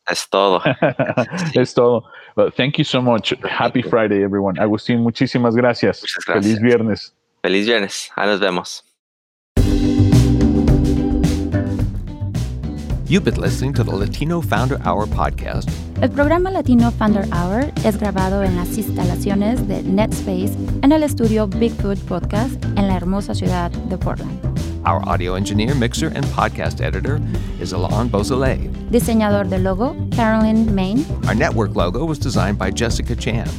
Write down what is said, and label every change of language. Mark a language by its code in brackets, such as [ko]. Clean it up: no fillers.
[es] Es todo. Es todo. [en] But thank you so much. Happy Friday, everyone. [es] Agustin, muchísimas gracias. Muchas gracias. Feliz viernes. Feliz viernes. Ahí nos vemos. [en] You've been listening to the Latino Founder Hour podcast. [es] El programa Latino Founder Hour es grabado en las instalaciones de NetSpace en el estudio Bigfoot Podcast en la hermosa ciudad de Portland. [en] Our audio engineer, mixer, and podcast editor is Alain Beausoleil. [es] Diseñador de logo, Carolyn Main. [en] Our network logo was designed by Jessica Chan.